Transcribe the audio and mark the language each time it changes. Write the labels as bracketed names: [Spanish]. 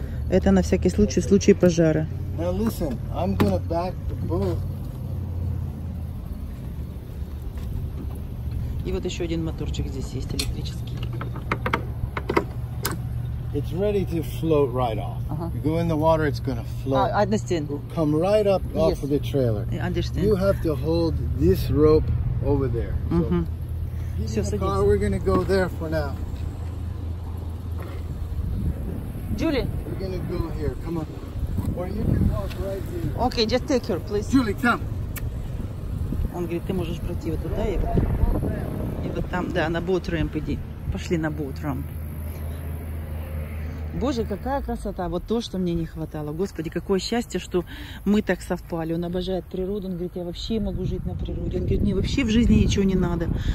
[Russian] Это на всякий случай, в случае пожара. [English] Now listen, I'm gonna back the boat. [Russian] И вот еще один моторчик здесь есть, электрический. [English] It's ready to float right off. Uh-huh. You go in the water, it's going to float. I understand. We'll come right up off of the trailer. I understand. You have to hold this rope over there. Mm-hmm. [Russian] So, все, садись. [English] We're going to go there for now. Julie. We're going to go here, come on. Or you can walk right here. Okay, just take her, please. Julie, come. [Russian] Он говорит, ты можешь пройти вот туда и вот. Вот там, да, на boat ramp иди. Пошли на boat ramp. Боже, какая красота! Вот то, что мне не хватало. Господи, какое счастье, что мы так совпали. Он обожает природу. Он говорит, я вообще могу жить на природе. Он говорит, мне вообще в жизни ничего не надо.